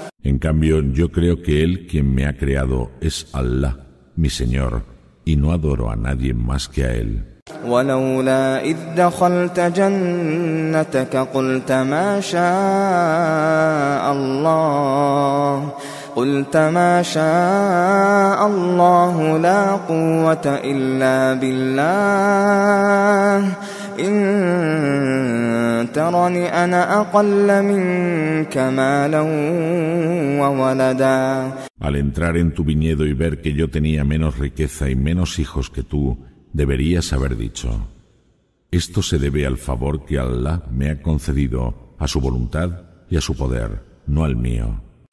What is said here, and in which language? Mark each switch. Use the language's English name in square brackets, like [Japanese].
[Spanish] En cambio, yo creo que Él, quien me ha creado, es Allah, mi Señor, y no adoro a nadie más que a Él. [Arabic] ولولا إذ دخلت جنتك قلت ما شاء الله لا قوة إلا بالله إن ترني أنا أقل منك مالا وولدا. [Spanish] Al entrar en tu viñedo y ver que yo tenía menos riqueza y menos hijos que tú, deberías haber dicho: esto se debe al favor que Allah me ha concedido, a su voluntad y a su poder, no al mío.